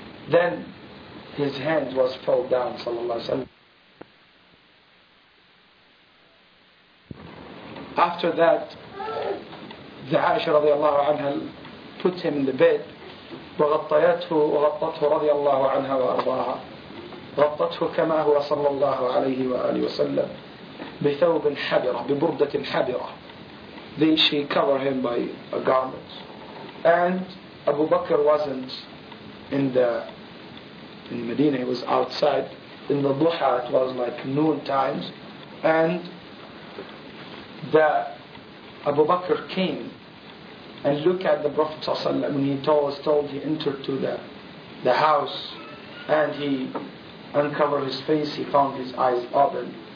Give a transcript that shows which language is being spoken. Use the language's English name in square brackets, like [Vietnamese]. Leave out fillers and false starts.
[English] Then his hand was fell down, sallallahu alayhi wa sallam. After that, the Aisha radiallahu anha put him in the bed. [Arabic] وغطيته وغطته رضي الله عنها وأرضاها غطته كما هو صلى الله عليه وآله وسلم بثوب حبرة ببردة حبرة. [English] Then she covered him by a garment. And Abu Bakr wasn't in Medina, he was outside. In the duha, it was like noon times. And the Abu Bakr came and looked at the Prophet ﷺ when he was told he entered to the house, and he uncovered his face, he found his eyes open.